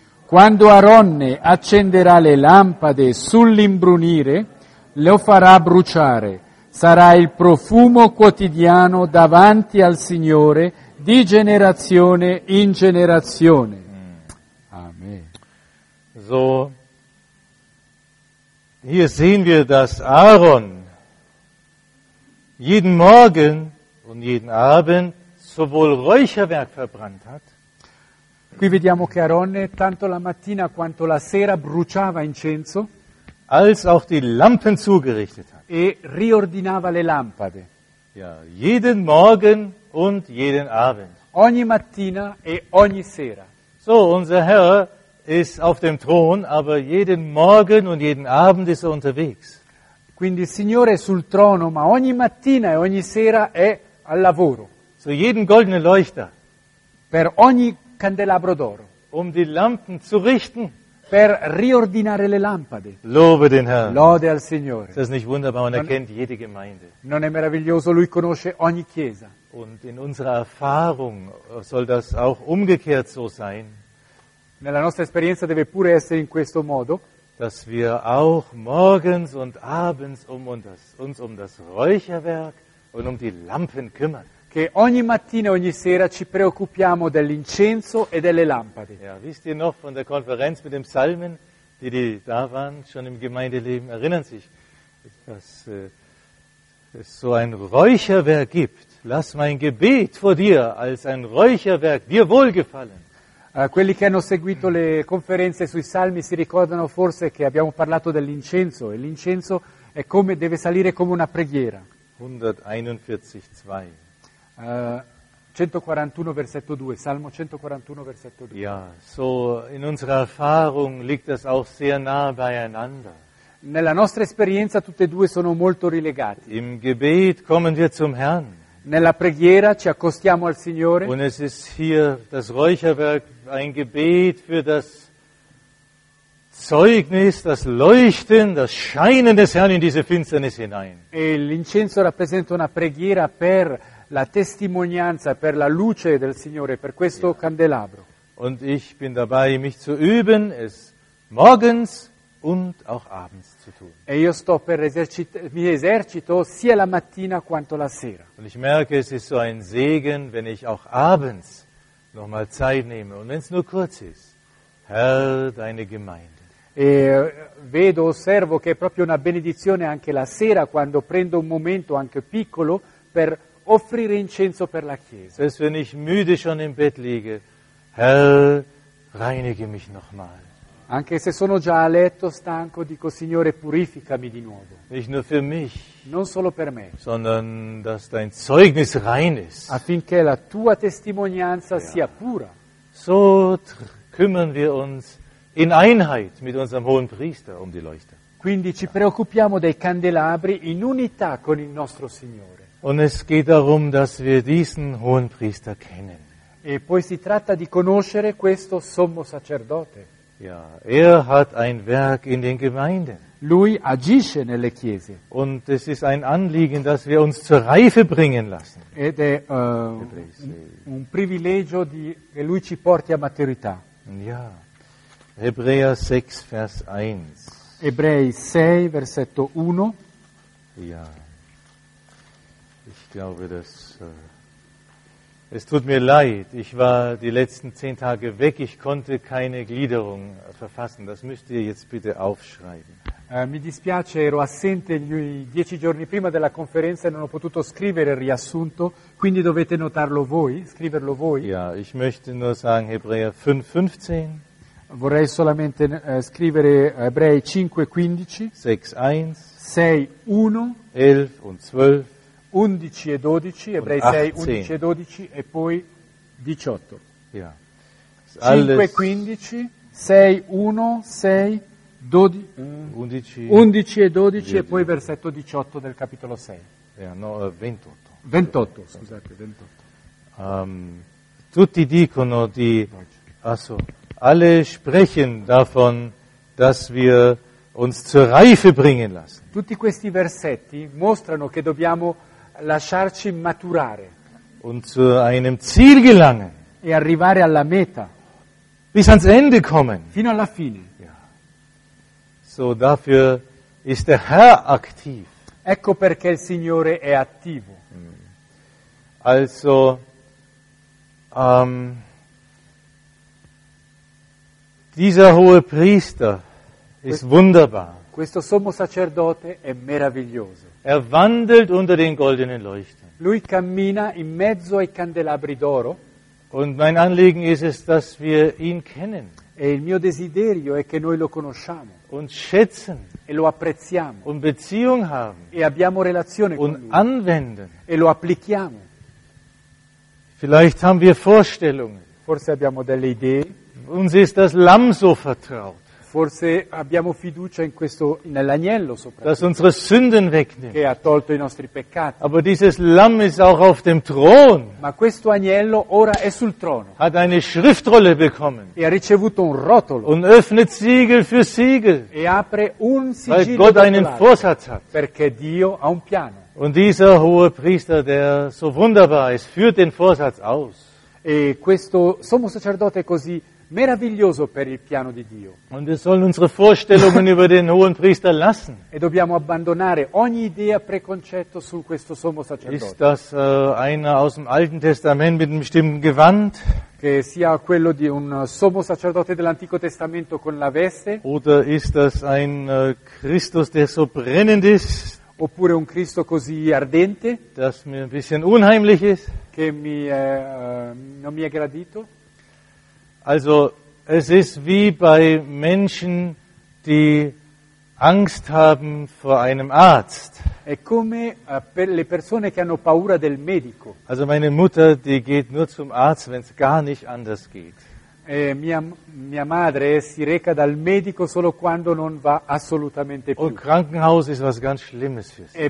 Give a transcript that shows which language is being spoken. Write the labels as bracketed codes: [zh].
[it] Quando Aronne accenderà le lampade sull'imbrunire, lo farà bruciare, sarà il profumo quotidiano davanti al Signore di generazione in generazione. Amen. So. [de] Hier sehen wir, dass Aaron jeden Morgen und jeden Abend sowohl Räucherwerk verbrannt hat. [it] Qui vediamo che Aronne tanto la mattina quanto la sera bruciava incenso, [de] als auch die Lampen zugerichtet hat. [it] E riordinava le lampade. [de] Ja, jeden Morgen und jeden Abend. [it] Ogni mattina e ogni sera. [de] So, unser Herr ist auf dem Thron, aber jeden Morgen und jeden Abend ist er unterwegs. [it] Quindi il Signore è sul trono, ma ogni mattina e ogni sera è al lavoro. [de] So jeden goldenen Leuchter. [it] Per ogni candelabro d'oro. [de] Um die Lampen zu richten. [it] Per riordinare le lampade. [de] Lobe den Herrn. [it] Lode al Signore. [de] Ist das nicht wunderbar? Man erkennt jede Gemeinde. [it] Non è meraviglioso? Lui conosce ogni chiesa. [de] Und in unserer Erfahrung soll das auch umgekehrt so sein. [it] Nella nostra esperienza deve pure essere in questo modo. [de] Dass wir auch morgens und abends uns um das Räucherwerk und um die Lampen kümmern. [it] Che ogni mattina e ogni sera ci preoccupiamo dell'incenso e delle lampade. [de] Ja, wisst ihr noch von der Konferenz mit dem Psalmen, die da waren, schon im Gemeindeleben, erinnern sich, dass es so ein Räucherwerk gibt. Lass mein Gebet vor dir als ein Räucherwerk dir wohlgefallen. [it] Quelli che hanno seguito le conferenze sui salmi si ricordano forse che abbiamo parlato dell'incenso e l'incenso è come deve salire come una preghiera. 141:2. 141 versetto 2, Salmo 141 versetto 2. [de] Ja, so in unserer Erfahrung liegt das auch sehr nah beieinander. [it] Nella nostra esperienza tutte e due sono molto rilegati. [de] Im Gebet kommen wir zum Herrn. [it] Nella preghiera ci accostiamo al Signore. [de] Und es ist hier das Räucherwerk, ein Gebet für das Zeugnis, das Leuchten, das Scheinen des Herrn in diese Finsternis hinein. [it] E l'incenso rappresenta una preghiera per la testimonianza, per la luce del Signore, per questo candelabro. [de] Und ich bin dabei, mich zu üben, es morgens und auch abends zu tun. [it] E io sto per mi esercito sia la mattina quanto la sera. [de] Und ich merke, es ist so ein Segen, wenn ich auch abends noch mal Zeit nehme. Und wenn es nur kurz ist, Herr, deine Gemeinde. [it] E vedo, osservo che è proprio una benedizione anche la sera, quando prendo un momento anche piccolo per offrire incenso per la Chiesa. [de] Selbst wenn ich müde schon im Bett liege, Herr, reinige mich nochmal. [it] Anche se sono già a letto stanco, dico Signore, purificami di nuovo. [de] Nicht nur für mich, [it] non solo per me, [de] sondern dass dein Zeugnis rein ist. [it] Affinché la tua testimonianza sia pura. [de] So kümmern wir uns in Einheit mit unserem hohen Priester um die Leuchter. [it] Quindi ci preoccupiamo dei candelabri in unità con il nostro Signore. [de] Und es geht darum, dass wir diesen hohen Priester kennen. [it] E poi si tratta di conoscere questo sommo sacerdote. [de] Ja, er hat ein Werk in den Gemeinden. [it] Lui agisce nelle chiese. [de] Und es ist ein Anliegen, dass wir uns zur Reife bringen lassen. [it] Ed è un privilegio che lui ci porti a maturità. [de] Ja, Hebräer 6, Vers 1. [it] Ebrei 6, versetto 1. [de] Ja. Ich glaube, dass es tut mir leid. Ich war die letzten 10 Tage weg. Ich konnte keine Gliederung verfassen. Das müsst ihr jetzt bitte aufschreiben. [it] Mi dispiace, ero assente gli 10 giorni prima della conferenza e non ho potuto scrivere il riassunto. Quindi dovete notarlo voi, scriverlo voi. [de] Ja, ich möchte nur sagen Hebräer 5:15. [it] Vorrei solamente scrivere Ebrei 5:15. 6:1. 6:1. 11 e 12. 11 e 12, Ebrei 6, 11 e 12 e poi 18. [de] Ja. 5, 15, 6, 1, 6, 12, 11, [it] 11 e 12 10. E poi versetto 18 del capitolo 6. [de] Ja, no, 28. [it] 28, scusate, 28. Tutti dicono di... [de] Achso, alle sprechen davon, dass wir uns zur Reife bringen lassen. [it] Tutti questi versetti mostrano che dobbiamo lasciarci maturare [de] und zu einem Ziel gelangen [it] e arrivare alla meta, [de] bis ans Ende kommen, [it] fino alla fine. [de] Ja. So dafür ist der Herr aktiv. [it] Ecco perché il Signore è attivo. [de] Also dieser hohe Priester ist wunderbar. [it] Questo sommo sacerdote è meraviglioso. [de] Er wandelt unter den goldenen Leuchtern. [it] Lui cammina in mezzo ai candelabri d'oro. [de] Und mein Anliegen ist es, dass wir ihn kennen. [it] E il mio desiderio è che noi lo conosciamo. [de] Und schätzen. [it] E lo apprezziamo. [de] Und Beziehung haben. [it] E abbiamo relazione [de] und [it] con lui. [de] Anwenden. [it] E lo applichiamo. [de] Vielleicht haben wir Vorstellungen. [it] Forse abbiamo delle idee. [de] Uns ist das Lamm so vertraut. [it] Forse abbiamo fiducia in questo, nell'agnello soprattutto. [de] Dass unsere Sünden wegnimmt. [it] Che ha tolto i nostri peccati. [de] Aber dieses Lamm ist auch auf dem Thron. [it] Ma questo agnello ora è sul trono. [de] Hat eine Schriftrolle bekommen. [it] E ha ricevuto un rotolo. [de] Und öffnet Siegel für Siegel. [it] E apre un sigillo. [de] Weil Gott einen Vorsatz hat. [it] Perché Dio ha un piano. [de] Und dieser hohe Priester, der so wunderbar ist, führt den Vorsatz aus. [it] E questo sommo sacerdote così meraviglioso per il piano di Dio. [de] Und wir sollen unsere Vorstellungen über den hohen Priester lassen. [it] E dobbiamo abbandonare ogni idea preconcetto su questo sommo sacerdote. [de] Ist das einer aus dem Alten Testament mit einem bestimmten Gewand? [it] Che sia quello di un sommo sacerdote dell'Antico Testamento con la veste? [de] Oder ist das ein Christus, der so brennend ist? [it] Oppure un Cristo così ardente? [de] Das mir ein bisschen unheimlich ist? [it] Che mi non mi è gradito? [de] Also, es ist wie bei Menschen, die Angst haben vor einem Arzt. [it] È come per le persone che hanno paura del medico. [de] Also meine Mutter, die geht nur zum Arzt, wenn es gar nicht anders geht. [it] Mia madre si reca dal medico solo quando non va assolutamente più. [de] Und Krankenhaus ist was ganz Schlimmes für sie.